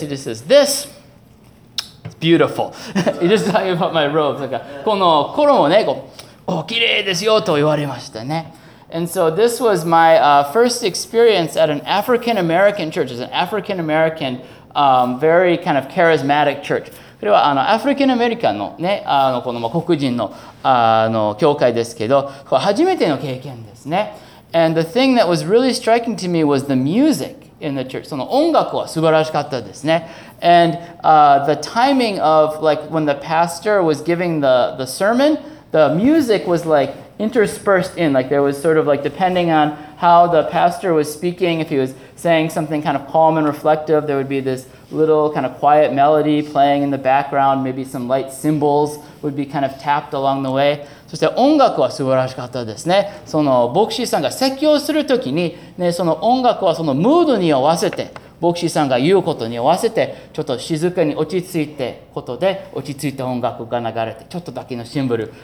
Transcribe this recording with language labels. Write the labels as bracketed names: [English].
[English] He just says, this is beautiful. He just talking about my robes. Like, [Japanese] この衣ね、こう、お、綺麗ですよと言われましたね。 [English] And so this was my first experience at an African American church. It's an African American, very kind of charismatic church. [Japanese] これはアフリカンアメリカンのね、この黒人の教会ですけど、これ初めての経験ですね。 [English] And the thing that was really striking to me was the music in the church. [Japanese] その音楽は素晴らしかったですね。 [English] And the timing of like when the pastor was giving the sermon, the music was like interspersed in. Like there was sort of like depending on how the pastor was speaking, if he was saying something kind of calm and reflective, there would be this little kind of quiet melody playing in the background. Maybe some light cymbals would be kind of tapped along the way. [Japanese] そして音楽は素晴らしかったですね。その牧師さんが説教するときに、ね、その音楽はそのムードに合わせて、牧師さんが言うことに合わせて、ちょっと静かに落ち着いてことで、落ち着いた音楽が流れて、ちょっとだけのシンブル。